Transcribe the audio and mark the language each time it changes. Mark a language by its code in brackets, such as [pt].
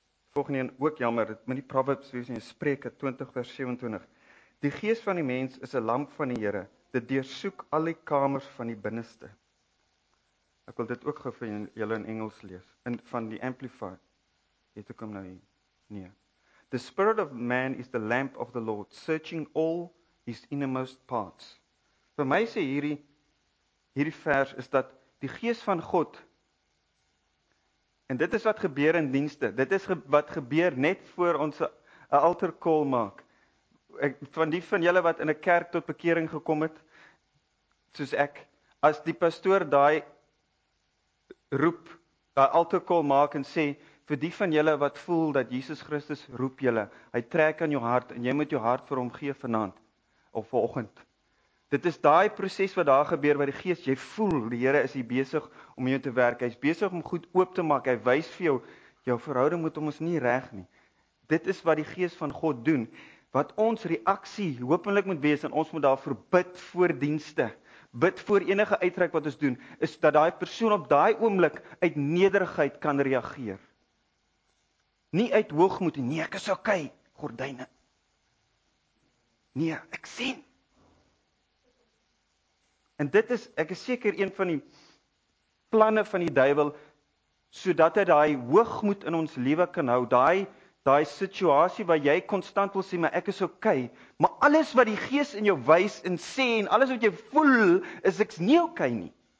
[af] Volgende een, ook jammer, dit moet nie Proverbs wees nie, Spreuke 20 vers 27. Die gees van die mens is 'n lamp van die Here. Dit deursoek al die kamers van die binneste. Ek wil dit ook gou vir julle in Engels lees. In van die Amplified. Het ek hom nou hier? Nee. [en] The spirit of man is the lamp of the Lord, searching all his innermost parts. [af] Vir my sê hierdie vers is dat die gees van God, en dit is wat gebeur in dienste, dit is wat gebeur net voor ons 'n altar call maak. Van julle wat in 'n kerk tot bekering gekom het, soos ek, as die pastoor daai roep, daai altar call maak en sê, vir die van julle wat voel dat Jesus Christus roep julle, hy trek aan jou hart en jy moet jou hart vir hom gee vanaand of vanoggend. Dit is daai proses wat daar gebeur by die Gees. Jy voel die Here is hier besig om jou te werk. Hy's besig om goed oop te maak. Hy wys vir jou jou verhouding met hom is nie reg nie. Dit is wat die Gees van God doen. Wat ons reaksie hopelik moet wees en ons moet daarvoor bid voor dienste. Bid voor enige uitreik wat ons doen is dat daai persoon op daai oomblik uit nederigheid kan reageer. Nie uit hoogmoed nie, ek is okay, gordyne. Nee, ek sien. En dit is, ek is seker een van die planne van die duiwel, sodat hy daai hoogmoed in ons lewe kan hou, daai situasie waar jy konstant wil sê, maar ek is okay, maar alles wat die gees in jou wys en sê, en alles wat jy voel, is ek's nie okay nie.